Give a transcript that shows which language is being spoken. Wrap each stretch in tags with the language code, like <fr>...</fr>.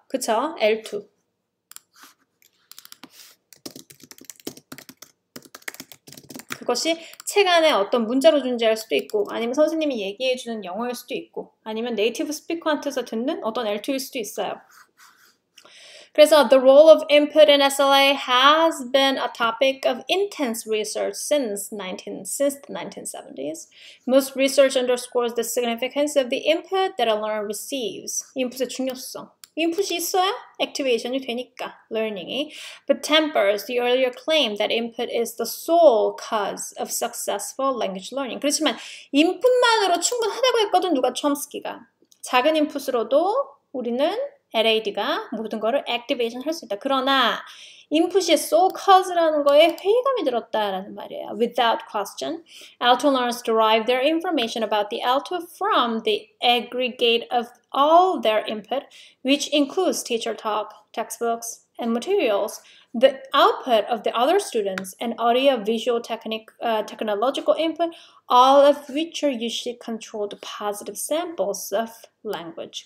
<ko>그쵸? L2. 그것이 책 안에 어떤 문자로 존재할 수도 있고, 아니면 선생님이 얘기해 주는 영어일 수도 있고, 아니면 네이티브 스피커한테서 듣는 어떤 L2일 수도 있어요.</ko> <en>그래서 The role of input in SLA has been a topic of intense research since the 1970s. Most research underscores the significance of the input that a learner receives.</en> <ko>인풋의 중요성. 인풋이 있어야 액티베이션이 되니까 learning이.</ko> <en>But tempers the earlier claim that input is the sole cause of successful language learning.</en> <ko>그렇지만 인풋만으로 충분하다고 했거든 누가 촘스키가. 작은 인풋으로도 우리는 LAD가 모든 거를 액티베이션 할수 있다. 그러나 인풋이 sole cause라는 거에 회의감이 들었다라는 말이에요.</ko> <en>Without question, Alto learners derive their information about the Alto from the aggregate of all their input, which includes teacher talk, textbooks, and materials. The output of the other students and audio visual technological input, all of which are usually controlled positive samples of language.</en>